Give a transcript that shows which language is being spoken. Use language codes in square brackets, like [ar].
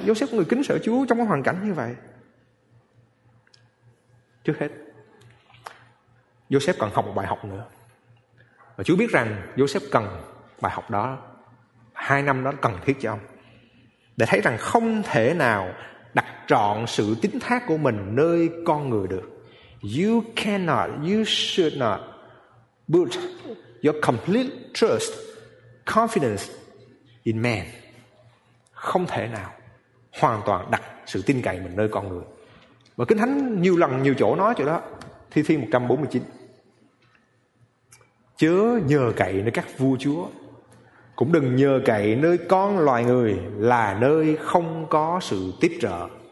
[vi] Joseph, người kính sợ Chúa, trong cái hoàn cảnh như vậy, trước hết Joseph cần học một bài học nữa. Và Chúa biết rằng Joseph cần bài học đó, 2 năm đó cần thiết cho ông, để thấy rằng không thể nào đặt trọn sự tín thác của mình nơi con người được. [en] You cannot, you should not put your complete trust, confidence in man. [vi] Không thể nào hoàn toàn đặt sự tin cậy mình nơi con người. Và Kinh Thánh nhiều lần, nhiều chỗ nói chỗ đó. Thi Thiên 149: chớ nhờ cậy nơi các vua chúa, cũng đừng nhờ cậy nơi con loài người, là nơi không có sự tiếp trợ.